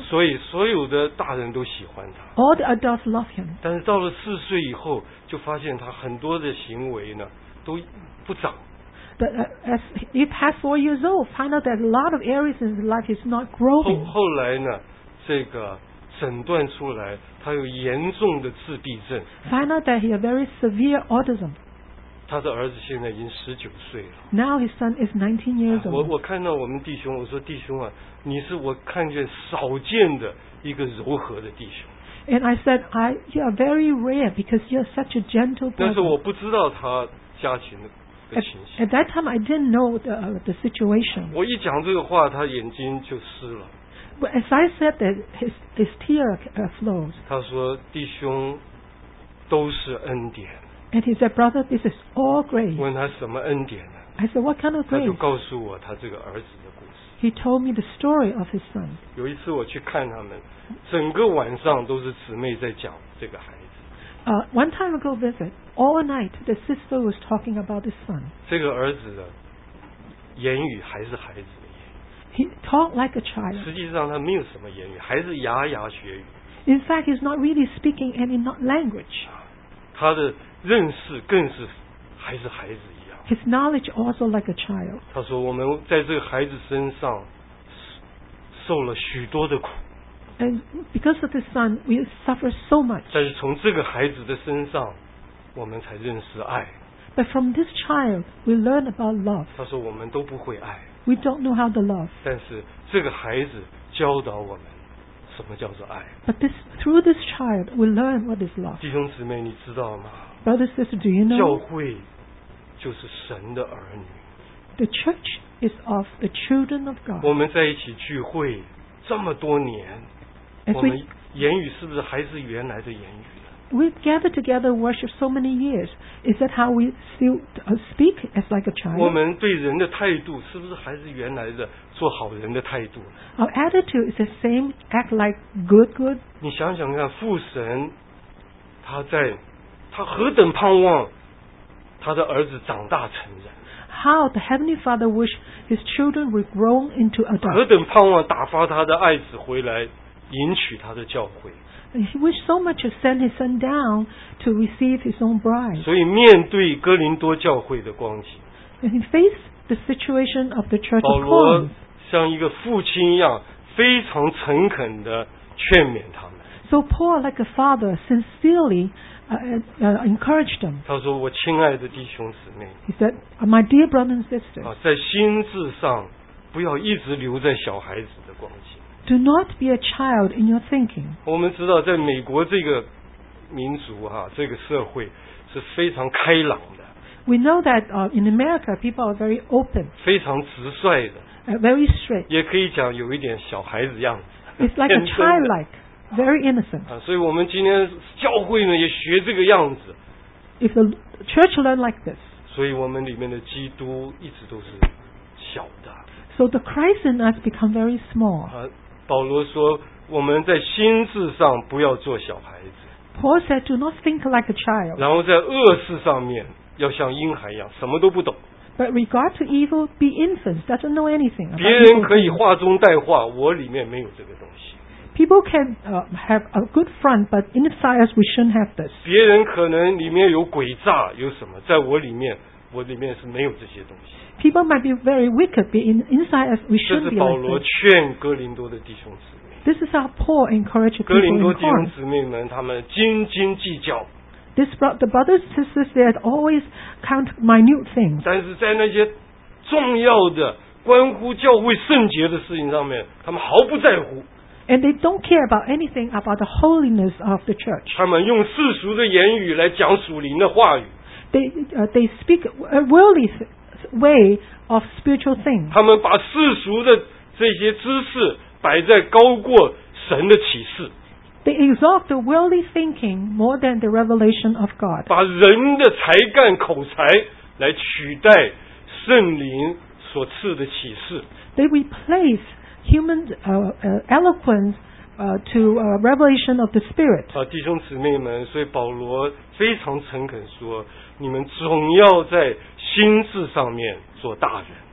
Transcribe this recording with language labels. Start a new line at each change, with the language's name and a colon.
Chinese: 所以所有的大人都喜欢他。
English: All the adults love him.
Chinese: 但是到了四岁以后，就发现他很多的行为呢都不长。
English: but as he passed 4 years old, found out that a lot of areas in his life is not growing.
Chinese: 后来呢，这个诊断出来，他有严重的自闭症。
English: Found out that he had very severe autism.
Chinese: 他的儿子现在已经十九岁了。
English: Now his son is 19 years old.
Chinese: 我看到我们弟兄，我说弟兄啊，你是我看见少见的一个柔和的弟兄。
English: And I said, you are very rare because you are such a gentle person.
Chinese: 但是我不知道他家庭的。
English: At that time, I didn't know the situation.
Chinese: 我一讲这个话，他眼睛就湿了。
English: But as I said that, his tear flows.
Chinese: 他说：“弟兄，都是恩典。”
English: And he said, "Brother, this is all grace."
Chinese: 问他什么恩典呢？
English: I said, "What kind of grace?"
Chinese: 他就告诉我他这个儿子的故事。
English: He told me the story of his son.
Chinese: 有一次我去看他们，整个晚上都是姊妹在讲这个孩子。
English: One time ago visit. All night, the sister was talking about his son.
Chinese: 这个儿子的言语还是孩子的言语。
English: He talked like a child.
Chinese: 实际上他没有什么言语，还是牙牙学语。
English: In fact, he's not really speaking any language.
Chinese: 他的认识更是还是孩子一样。
English: His knowledge also like a child.
Chinese: 他说我们在这个孩子身上受了许多的苦。
English: And because of this son, we suffer so much.
Chinese: 但是从这个孩子的身上我们才认识爱。
English: But from this child, we learn about love.
Chinese: 他说我们都不会爱。
English: We don't know how to love.
Chinese: 但是这个孩子教导我们什么叫做爱。
English: But this, through this child, we learn what is love.
Chinese: 弟兄姊妹，你知道吗？
English: Brother, sister, do you know?
Chinese: 教会就是神的儿女。
English: The church is of the children of God.
Chinese: 我们在一起聚会这么多年，我们言语是不是还是原来的言语？
English: We've gathered together worship so many years. Is that how we still speak as like a child?
Chinese: 我们对人的态度是不是还是原来的做好人的态度？
English: Our attitude is the same, act like good, good.
Chinese: 你想想看，父神他在他何等盼望他的儿子长大成人。
English: How the Heavenly Father wish his children were grown into adults.
Chinese: 何等盼望打发他的爱子回来迎娶他的教会。
English: He wished so much to send his son down to receive his own bride.
Chinese: 所以面对哥林多教会的光景，
English: And he faced the situation of the church of Corinth.
Chinese: 保罗像一个父亲一样非常诚恳地劝勉他们。
English: So Paul, like a father, sincerely encouraged them.
Chinese: 他说我亲爱的弟兄姊妹，
English: He said, my dear brothers and sisters,
Chinese: 在心智上不要一直留在小孩子的光景。
English: Do not be a child in your thinking.
Chinese: 我们知道在美国这个民族啊，这个社会是非常开朗的。
English: We know that in America, people are very open.
Chinese: 非常直率的。
English: Very straight.
Chinese: 也可以讲有一点小孩子样子。
English: It's like a childlike, very innocent.
Chinese: 所以我们今天教会呢也学这个样子。
English: If the church learn like this.
Chinese: 所以我们里面的基督一直都是小的。
English: So the Christ in us become very small.
Chinese: 保罗说我们在心智上不要做小孩子。
English: Paul said do not think like a child.
Chinese: 然后在恶事上面要像婴孩一样什么都不懂。
English: But regard to evil be infants doesn't know anything.
Chinese: 别人可以话中带话，我里面没有这个东西。
English: People can have a good front but inside us we shouldn't have this.
Chinese: 别人可能里面有诡诈有什么，在我里面是没有这些东西。
English: People might be very wicked, but inside us, we shouldn't be like this.
Chinese: 这是保罗劝哥林多的弟兄姊妹。
English: This is how Paul encouraged people in
Chinese: Corinth. 哥林多弟兄姊妹们，他们斤斤计较。
English: This brought the brothers and sisters there always count minute things.
Chinese: 但是在那些重要的关乎教会圣洁的事情上面，他们毫不在乎。
English: And they don't care about anything about the holiness of the church.
Chinese: 他们用世俗的言语来讲属灵的话语。
English: They speak worldly things. Way of spiritual things.
Chinese: 他们把世俗的这些知识摆在高过神的启示。
English: They exalt the worldly thinking more than the revelation of God.
Chinese: 把人的才干口才来取代圣灵所赐的启示。
English: They replace human eloquence to revelation of the Spirit.
Chinese: 弟兄姊妹们，所以保罗非常诚恳说，你们总要在心智上面做大人。